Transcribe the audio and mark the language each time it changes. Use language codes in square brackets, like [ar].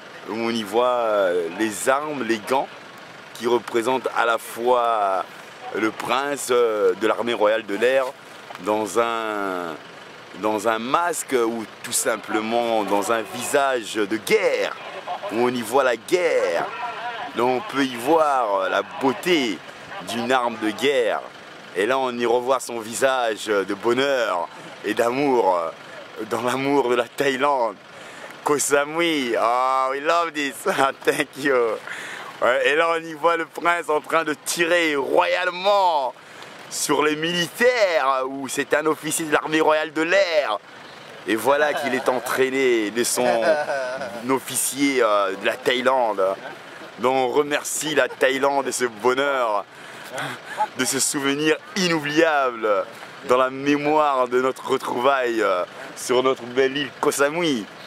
[fr] On y voit les armes, les gants. Qui représente à la fois le prince de l'armée royale de l'air dans un masque ou tout simplement dans un visage de guerre où on y voit la guerre. Là on peut y voir la beauté d'une arme de guerre et là on y revoit son visage de bonheur et d'amour dans l'amour de la Thaïlande. [en] Koh Samui, oh, we love this, thank you. [fr] Et là on y voit le prince en train de tirer royalement sur les militaires où c'est un officier de l'armée royale de l'air. Et voilà qu'il est entraîné de son officier de la Thaïlande. Donc on remercie la Thaïlande et ce bonheur de ce souvenir inoubliable dans la mémoire de notre retrouvaille sur notre belle île Koh Samui.